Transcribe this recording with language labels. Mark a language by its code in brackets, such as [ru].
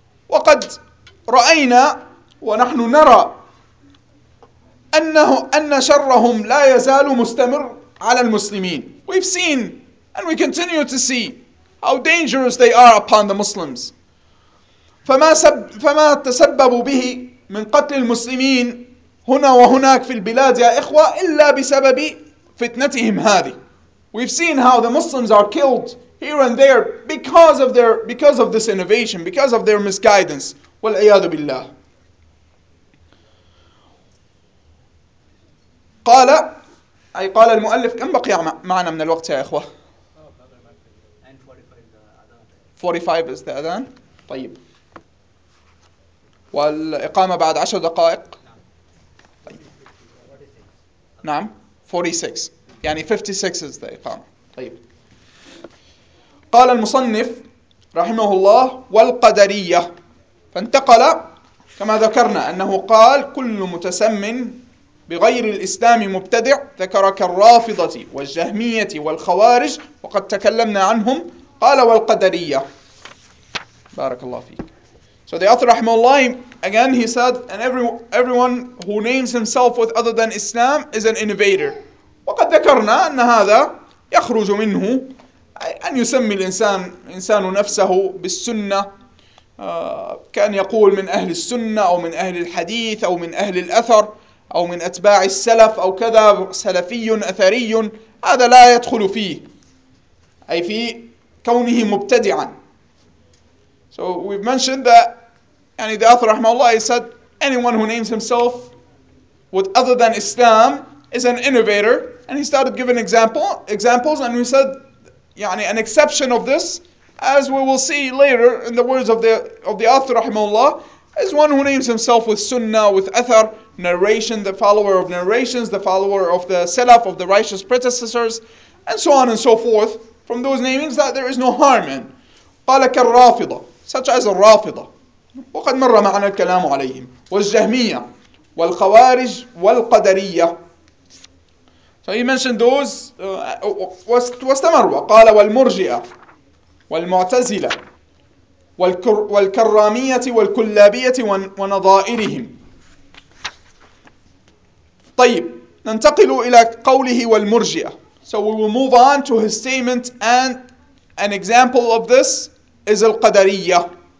[ar] وَقَدْ رَأَيْنَا وَنَحْنُ نَرَى أَنَّ شَرَّهُمْ لَا يَزَالُ مُسْتَمِرٌ عَلَى الْمُسْلِمِينَ. [en] We've seen and we continue to see how dangerous they are upon the Muslims. [ar] فَمَا تَسَبَّبُوا بِهِ مِنْ قَتْلِ الْمُسْلِمِينَ هنا وهناك في البلاد يا إخوة إلا بسبب فتنتهم هذه. [en] We've seen how the Muslims are killed here and there because of this innovation, because of their misguidance. [ar] والعياذ بالله. قال أي قال المؤلف كم بقي معنا من الوقت يا إخوة؟ [en] 45 is the adhan. [ar] طيب. والإقامة بعد 10 دقائق. نعم 46 يعني [en] 56 is the [ar] إقامة. طيب. قال المصنف رحمه الله والقدرية. فانتقل كما ذكرنا أنه قال كل متسمن بغير الإسلام مبتدع ذكر كالرافضة والجهمية والخوارج وقد تكلمنا عنهم. قال والقدرية بارك الله فيك. [en] So the author رحمه الله, again he said, and everyone who names himself with other than Islam is an innovator. [ar] وقد ذكرنا أن هذا يخرج منه أن يسمي الإنسان نفسه بالسنة, كان يقول من أهل السنة أو من أهل الحديث أو من أهل الأثر أو من أتباع السلف أو كذا, سلفي أثري, هذا لا يدخل فيه, أي في كونه مبتدعا. [en] So we've mentioned that, and the author rahmahullah, he said, anyone who names himself with other than Islam is an innovator. And he started giving examples, and we said, يعني, an exception of this, as we will see later in the words of the author rahmahullah, is one who names himself with sunnah, with athar, narration, the follower of narrations, the follower of the salaf, of the righteous predecessors, and so on and so forth, from those namings that there is no harm in. [ar] قال كالرافضة, [en] such as a rafida. [ar] وقد مر معنا الكلام عليهم. والجهمية والخوارج والقدرية. [en] So he mentioned those. [ar] واستمر وقال والمرجئة والمعتزلة والكرامية والكلابية ونظائرهم. طيب ننتقل إلى قوله والمرجئة. [en] So we will move on to his statement, and an example of this is القدرية.